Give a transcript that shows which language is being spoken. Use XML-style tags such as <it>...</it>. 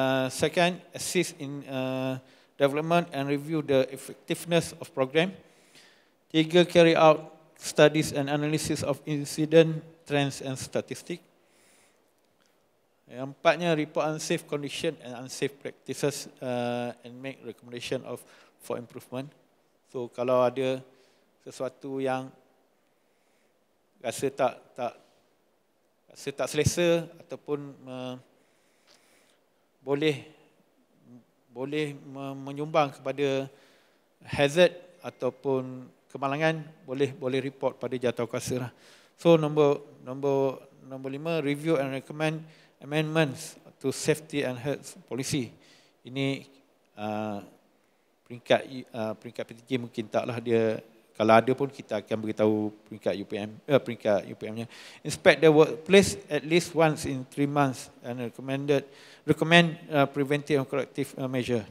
<en>Second, assist in development and review the effectiveness of program. 3, carry out studies and analysis of incident, trends and statistics.</en> <ms>Yang empatnya,</ms> <en>report unsafe condition and unsafe practices and make recommendation of for improvement.</en> <ms>So kalau ada sesuatu yang rasa tak selesa ataupun boleh menyumbang kepada hazard ataupun kemalangan, boleh report pada jawatankuasa lah.</ms> <en>So number 5, review and recommend amendments to safety and health policy.</en> <ms>Ini peringkat PTJ mungkin taklah dia. Kalau ada pun kita akan beritahu peringkat UPM-nya.</ms> <en>Inspect the workplace at least once in 3 months and recommend preventive and corrective measure.</en>